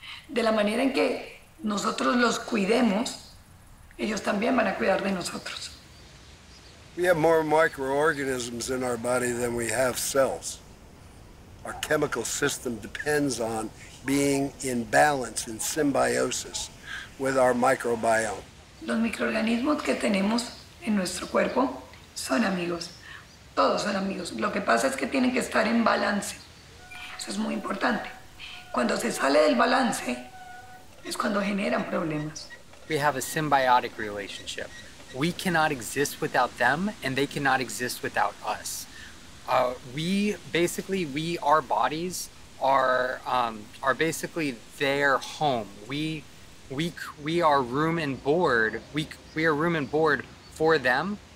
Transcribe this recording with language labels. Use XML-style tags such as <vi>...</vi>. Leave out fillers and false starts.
<es>De la manera en que nosotros los cuidemos, ellos también van a cuidar de nosotros.</es> <en>We have more microorganisms in our body than we have cells. Our chemical system depends on being in balance, in symbiosis with our microbiome.</en> <es>Los microorganismos que tenemos en nuestro cuerpo son amigos. Todos son amigos. Lo que pasa es que tienen que estar en balance. Eso es muy importante. Cuando se sale del balance, es cuando generan problemas.</es> <en>We have a symbiotic relationship. We cannot exist without them, and they cannot exist without us. We, our bodies, are basically their home. We are room and board. We are room and board for them.</en>